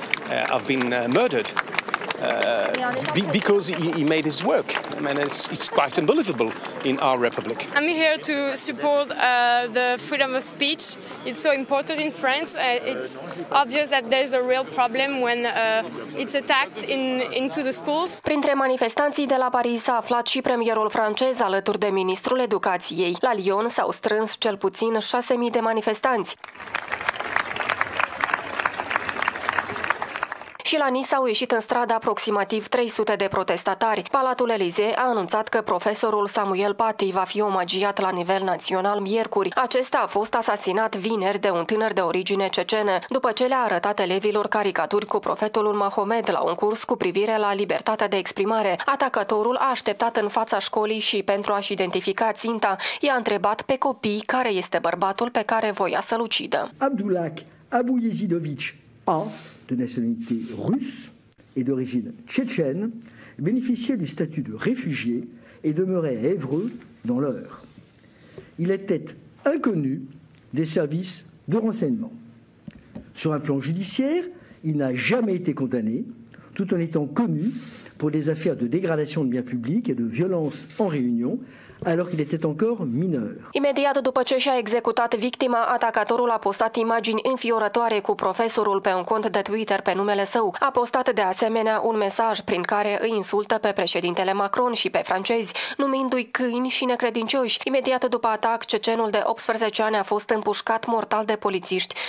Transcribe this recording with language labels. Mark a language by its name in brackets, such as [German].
[English] Have been murdered because he made his work. I mean, it's quite unbelievable in our republic. I'm here to support the freedom of speech. It's so important in France. It's obvious that there's a real problem when it's attacked into the schools. [Romanian] Printre manifestanții de la Paris s-a aflat și premierul francez alături de ministrul educației. La Lyon s-au strâns cel puțin 6.000 de manifestanți. Și la Nice au ieșit în stradă aproximativ 300 de protestatari. Palatul Elysée a anunțat că profesorul Samuel Paty va fi omagiat la nivel național miercuri. Acesta a fost asasinat vineri de un tânăr de origine cecenă, după ce le-a arătat elevilor caricaturi cu profetul Mahomed la un curs cu privire la libertatea de exprimare. Atacatorul a așteptat în fața școlii și, pentru a-și identifica ținta, i-a întrebat pe copii care este bărbatul pe care voia să-l ucidă. [French] Abdulak Abu Yezidovici A, de nationalité russe et d'origine tchétchène, bénéficiait du statut de réfugié et demeurait à Évreux dans l'Eure. Il était inconnu des services de renseignement. Sur un plan judiciaire, il n'a jamais été condamné, tout en étant connu pour des affaires de dégradation de biens publics et de violence en réunion, alors qu'il était encore mineur. [Romanian] Imediat după ce și-a executat victima, atacatorul a postat imagini înfiorătoare cu profesorul pe un cont de Twitter pe numele său. A postat de asemenea un mesaj prin care îi insultă pe președintele Macron și pe francezi, numindu-i câini și necredincioși. Imediat după atac, cecenul de 18 ani a fost împușcat mortal de polițiști.